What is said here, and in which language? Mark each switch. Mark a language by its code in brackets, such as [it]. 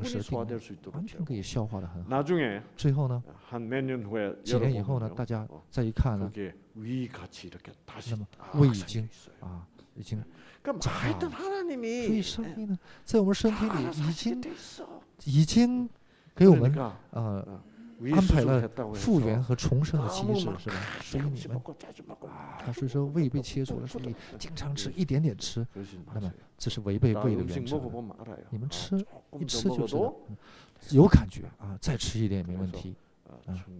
[zh] 通过训练以后呢最后的一天三顿饭定时定量完全可以消化得很好 [ko] 나중에 [zh] 最后呢, [ko] 한 몇 년 후에 [zh] 几年以后呢, 大家再一看呢, [ko] 그게 위 같이 이렇게 다시 [zh] 胃已经 [ko] 그러니까 하여튼 하나님이 [zh] 所以生命呢在我们身体里已经给我们 安排了复原和重生的机制，是吧？所以你们啊，他是说胃被切除了，所以经常吃一点点吃，那么这是违背胃的原则。你们吃一吃就是有感觉啊，再吃一点没问题啊。